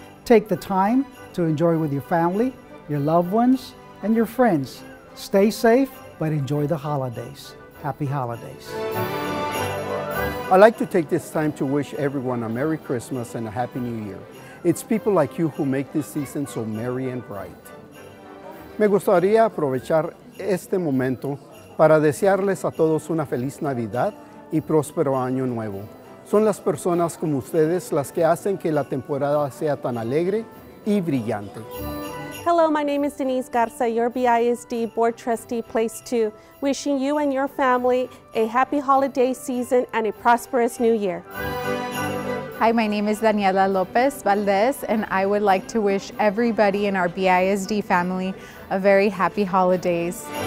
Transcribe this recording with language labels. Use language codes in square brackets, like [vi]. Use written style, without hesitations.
[en] Take the time to enjoy with your family, your loved ones, and your friends. Stay safe, but enjoy the holidays. Happy holidays. I'd like to take this time to wish everyone a Merry Christmas and a Happy New Year. It's people like you who make this season so merry and bright. [es] Me gustaría aprovechar este momento para desearles a todos una feliz Navidad y próspero año nuevo. Son las personas como ustedes las que hacen que la temporada sea tan alegre y brillante. [en] Hello, my name is Denise Garza, your BISD Board Trustee, Place 2, wishing you and your family a happy holiday season and a prosperous new year. Hi, my name is Daniela Lopez Valdez, and I would like to wish everybody in our BISD family a very happy holidays.